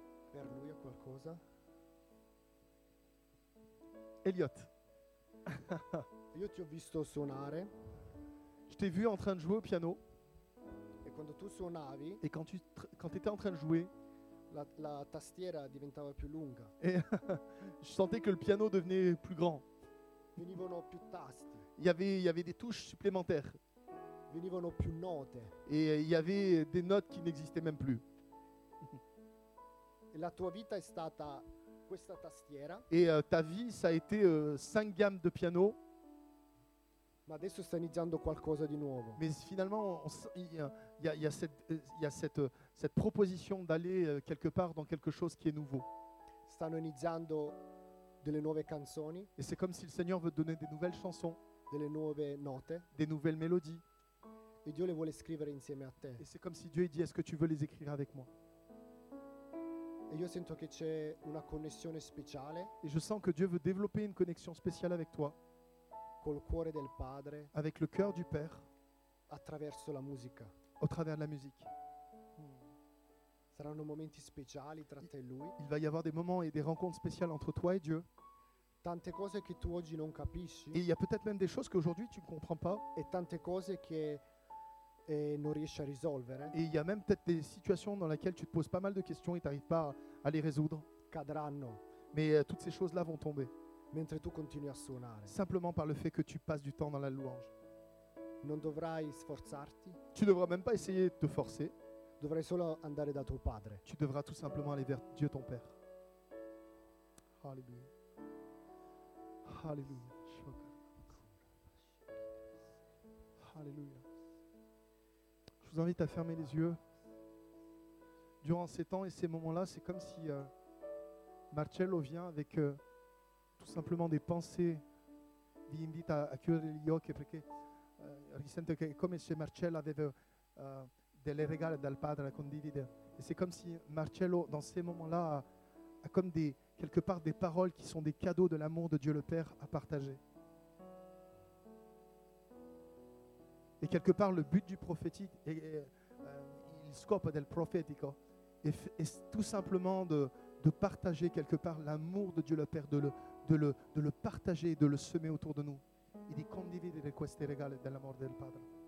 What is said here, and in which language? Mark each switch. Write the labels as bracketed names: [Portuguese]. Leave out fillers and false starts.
[Italian] Per lui è qualcosa? Elliot. Io ti ho visto suonare. [French] Je t'ai vu en train de jouer au piano. [Italian] Quando tu suonavi, [French] et quand tu quand étais en train de jouer, [Italian] la tastiera diventava più lunga. [French] Et je sentais que le piano devenait plus grand. [Italian] Venivano più tasti. [French] Il y avait des touches supplémentaires. [Italian] Venivano più note. [French] Et il y avait des notes qui n'existaient même plus. [Italian] La tua vita è stata questa tastiera. [French] Et ta vie, ça a été 5 gammes de piano. [Italian] Ma adesso sta iniziando qualcosa di nuovo. [French] Mais finalement, il y a cette proposition d'aller quelque part dans quelque chose qui est nouveau. [Italian] Stanno iniziando delle nuove canzoni. [French] Et c'est comme si le Seigneur veut donner des nouvelles chansons. [Italian] Delle nuove note. [French] Des nouvelles mélodies. [Italian] E Dio le vuole scrivere insieme a te. [French] Et c'est comme si Dieu dit, est-ce que tu veux les écrire avec moi? [Italian] E io sento che c'è una connessione speciale. [French] Et je sens que Dieu veut développer une connexion spéciale avec toi. [Italian] Col cuore del padre, [French] avec le cœur du Père, [Italian] attraverso la musica, [French] au travers de la musique. [Italian] Saranno momenti speciali tra te e lui. [French] Il va y avoir des moments et des rencontres spéciales entre toi et Dieu. [Italian] Tante cose che tu oggi non capisci. [French] Et il y a peut-être même des choses que aujourd'hui tu ne comprends pas. [Italian] Et tante cose che non riesci a risolvere. [French] Et il y a même peut-être des situations dans lesquelles tu te poses pas mal de questions et tu n'arrives pas à les résoudre. [Italian] Cadranno. [French] Mais toutes ces choses-là vont tomber. [Italian] Mentre tu continui a suonare. [French] Simplement par le fait que tu passes du temps dans la louange. [Italian] Non dovrai sforzarti. [French] Tu ne devras même pas essayer de te forcer. [Italian] Dovrai solo andare da tuo padre. [French] Tu devras tout simplement aller vers Dieu ton Père. Alléluia. Alléluia. Alléluia. Je vous invite à fermer les yeux. Durant ces temps et ces moments-là, c'est comme si Marcello vient avec... tout simplement des pensées. [Italian] Vi invito a chiudere gli occhi perché risento che come se Marcello aveva delle regali dal padre a condividere. [French] Et c'est comme si Marcello, dans ces moments-là, a comme des quelque part des paroles qui sont des cadeaux de l'amour de Dieu le Père à partager. Et quelque part, le but du prophétique, [Italian] il scopo del profetico, [French] est tout simplement de partager quelque part l'amour de Dieu le Père, de le partager, de le semer autour de nous. Il dit [Italian] condividere questi regali della morte del padre.